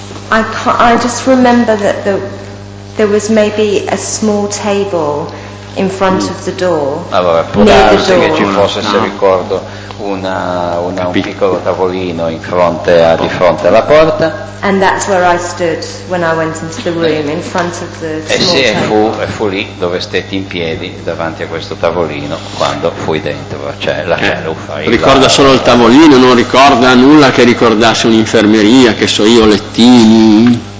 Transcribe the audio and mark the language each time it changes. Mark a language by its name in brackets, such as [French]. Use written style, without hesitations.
[English] I just remember that there was maybe a small table in front of the door, [Italian] allora, [English] near the door. [Italian] Che ci fosse, no. Se ricordo, un piccolo tavolino in fronte di fronte alla porta. [English] And that's where I stood when I went into the room, in front of the small table. [Italian] E sì, fu lì dove stetti in piedi davanti a questo tavolino quando fui dentro. Cioè, la cellufa. Ricorda solo il tavolino, non ricorda nulla che ricordasse un'infermeria, che so io, lettini.